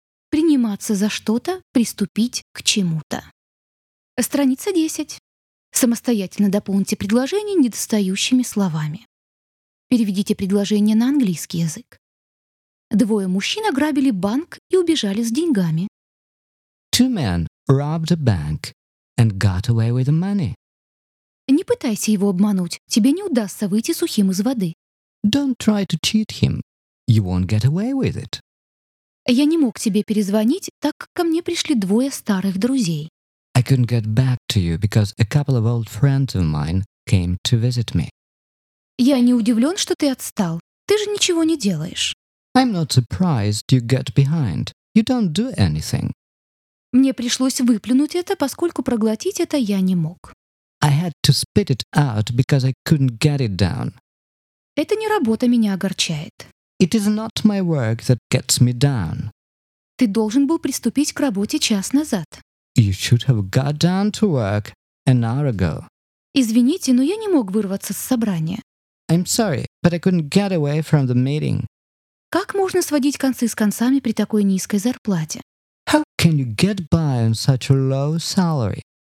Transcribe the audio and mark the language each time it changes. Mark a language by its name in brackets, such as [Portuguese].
[Russian] Приниматься за что-то, приступить к чему-то. Страница 10. Самостоятельно дополните предложение недостающими словами. Переведите предложение на английский язык. Двое мужчин ограбили банк и убежали с деньгами. [English] Two men robbed a bank and got away with the money. [Russian] Не пытайся его обмануть, тебе не удастся выйти сухим из воды. [English] Don't try to cheat him, you won't get away with it. [Russian] Я не мог тебе перезвонить, так как ко мне пришли двое старых друзей. [English] I couldn't get back to you because a couple of old friends of mine came to visit me. [Russian] Я не удивлен, что ты отстал. Ты же ничего не делаешь. [English] I'm not surprised you get behind. You don't do anything. [Russian] Мне пришлось выплюнуть это, поскольку проглотить это я не мог. [English] I had to spit it out because I couldn't get it down. [Russian] Это не работа меня огорчает. [English] It is not my work that gets me down. [Russian] Ты должен был приступить к работе час назад. [English] You should have got down to work an hour ago. [Russian] Извините, но я не мог вырваться с собрания. [English] I'm sorry, but I couldn't get away from the meeting. [Russian] Как можно сводить концы с концами при такой низкой зарплате? [English] How can you get by on such a low salary?